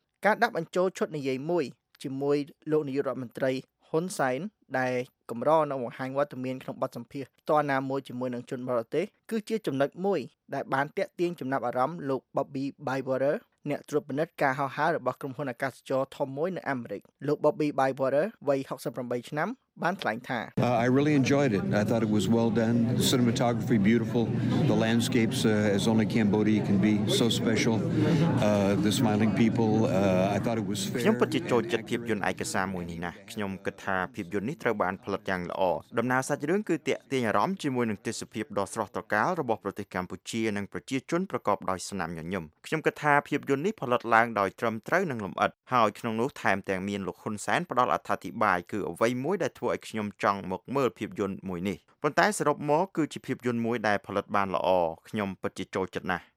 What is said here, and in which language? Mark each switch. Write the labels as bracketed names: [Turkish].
[Khmer] ការដាក់បញ្ចូលឈុតនិយាយមួយជាមួយលោកនាយករដ្ឋមន្ត្រីហ៊ុនសែនដែលកម្រនៅបង្ហាញវត្តមានក្នុងបទសម្ភាសន៍តណ្ណាមួយជាមួយនឹងជនបរទេសគឺជាចំណុចមួយដែលបានទាក់ទាញចំណាប់អារម្មណ៍លោក Bobby Bywater អ្នកត្រួតពិនិត្យការហោះហើររបស់ក្រុមហ៊ុនអាកាសចរធំមួយនៅអាមេរិកលោក Bobby Bywater វ័យ68ឆ្នាំបានថ្លែងថា [English] I really enjoyed it. I thought it was well done. The cinematography beautiful. The landscapes as only Cambodia can be so special. The smiling people I thought it was fair. [Khmer] ខ្ញុំពិតជាចូលចិត្តភាពយន្តឯកសារមួយនេះណាខ្ញុំគិតថាភាពយន្តនេះត្រូវបានផលិតយ៉ាងល្អដំណើរសាច់រឿងគឺទាក់ទាញអារម្មណ៍ជាមួយនឹងទេសភាពដ៏ស្រស់ត្រកាលរបស់ប្រទេសកម្ពុជានិងប្រជាជនប្រកបដោយស្នាមញញឹមខ្ញុំគិតថាភាពយន្តនេះផលិតឡើងដោយត្រឹមត្រូវនិងលំអិតហើយក្នុងនោះថែមទាំងមានលោកហ៊ុនសែនផ្ដល់អត្ថាធិប្បាយគឺអ្វីមួយដែលធ្វើឲ្យខ្ញុំចង់មកមើលភាពយន្តមួយនេះប៉ុន្តែសរុបមកគឺជាភាពយន្តមួយដែលផលិតបានល្អខ្ញុំពិតជាចូលចិត្តណាស